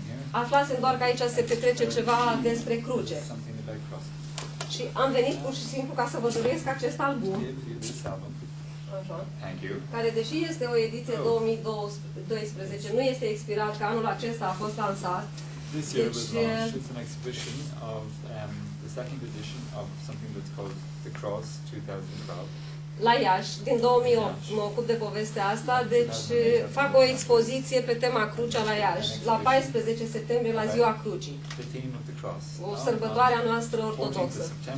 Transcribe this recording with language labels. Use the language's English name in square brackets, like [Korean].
[Romanian] Aflasem doar că aici se petrece ceva despre cruce. Și am venit pur și simplu ca să vă doresc acest album. Așa. Care, deși este o ediție 2012, nu este expirat, că anul acesta a fost lansat. [English] This year was launched. It's an exhibition of the second edition of something that's called The Cross 2012. [Romanian] La Iași, din 2008, mă ocup de povestea asta, deci fac o expoziție pe tema Crucea la Iași, la 14 septembrie, la Ziua Crucii. O sărbătoare a noastră ortodoxă.